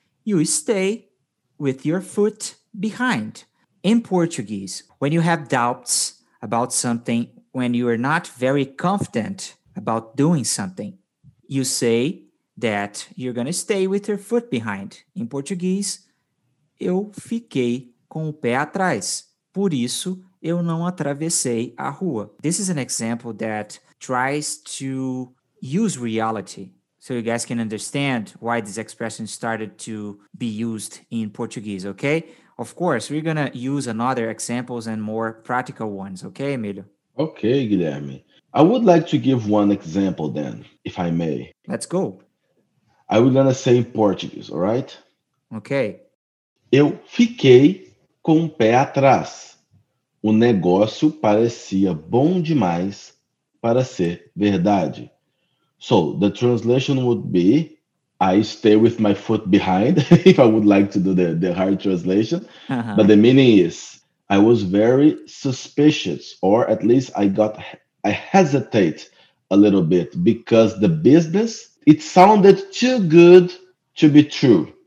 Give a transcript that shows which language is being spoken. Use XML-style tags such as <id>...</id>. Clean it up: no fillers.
<en>You stay with your foot behind. In Portuguese, when you have doubts about something, when you are not very confident about doing something, you say that you're going to stay with your foot behind. In Portuguese,</en> <pt>eu fiquei com o pé atrás. Por isso, eu não atravessei a rua.</pt> <en>This is an example that tries to use reality. So you guys can understand why this expression started to be used in Portuguese, okay? Of course, we're going to use another examples and more practical ones. Okay, Emilio? Okay, Guilherme. I would like to give one example then, if I may. Let's go. I would going to say in Portuguese, all right? Okay.</en> <pt>Eu fiquei com o pé atrás. O negócio parecia bom demais para ser verdade.</pt> <en>So, the translation would be, I stay with my foot behind, if I would like to do the hard translation. Uh-huh. But the meaning is, I was very suspicious, or at least I hesitate a little bit, because the business, it sounded too good to be true.</en>